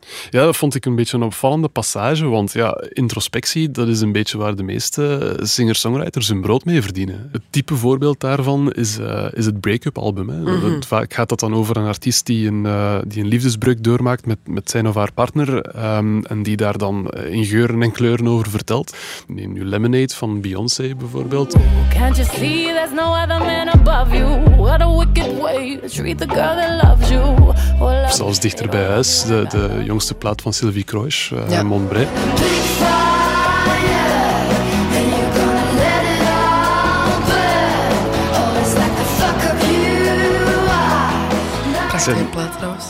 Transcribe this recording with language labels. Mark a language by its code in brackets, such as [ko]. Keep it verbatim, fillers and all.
[nl] Ja, dat vond ik een beetje een opvallende passage, want ja, introspectie, dat is een beetje waar de meeste singer-songwriters hun brood mee verdienen. Het type voorbeeld daarvan is, uh, is het break-up album. Hè. Mm-hmm. Vaak gaat dat dan over een artiest die een, uh, die een liefdesbreuk doormaakt met, met zijn of haar partner, um, en die daar dan in geuren en kleuren over vertelt. Neem nu Lemonade van Beyoncé bijvoorbeeld. [en] Can't you see there's no other man above you? What a wicked way to treat the girl that loves you. [nl] Of zelfs dichter bij huis, de, de De jongste plaat van Sylvie Croix, uh, ja. Mon Bray. Prachtige plaat trouwens.